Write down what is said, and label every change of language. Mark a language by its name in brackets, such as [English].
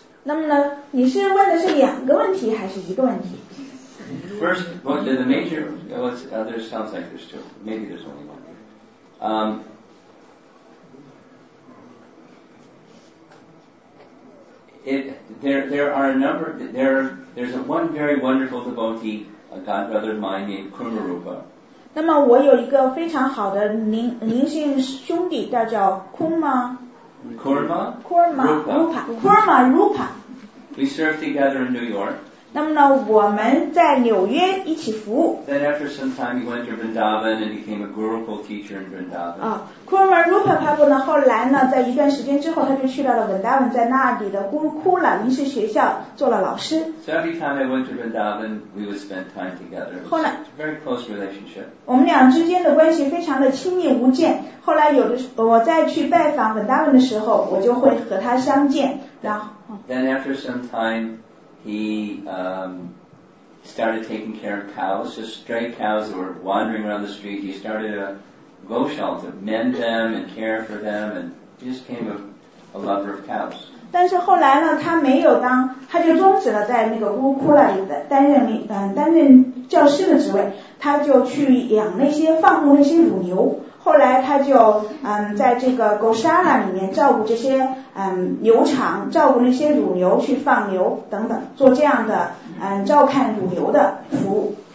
[Chinese] 那么呢，你是问的是两个问题还是一个问题？ [English] First, what did the major, there sounds like there's two, maybe there's only one. There's a one very wonderful devotee, a godbrother of mine named Kumarupa. [Chinese] 那么我有一个非常好的灵性兄弟，他叫 Kuma. [English] Kurma Rupa. We served together in New York. [Chinese] 那么呢，我们在纽约一起服务。 [English] Then after some time, he went to Vrindavan and became a Gurukul teacher in Vrindavan. [Chinese] 啊，库尔曼·鲁帕帕布呢，后来呢，在一段时间之后，他就去到了 Vrindavan， 在那里的古鲁库拉临时学校做了老师。 [English] So every time I went to Vrindavan, we would spend time together. [Chinese] 后呢 [English] ，very close relationship. [Chinese] 我们俩之间的关系非常的亲密无间。后来有的时候，我再去拜访 Vrindavan 的时候，我就会和他相见。然后 [English] ，Then after some time. He started taking care of cows, just stray cows that were wandering around the street. He started a goshala to mend them and care for them, and he just became a lover of cows. [Chinese] 但是后来呢，他没有当，他就终止了在那个乌库拉里的担任教师的职位。他就去养那些放牧那些乳牛。后来他就在这个 goshala 里面照顾这些。牛场照顾那些乳牛去放牛等等做这样的照看乳牛的服务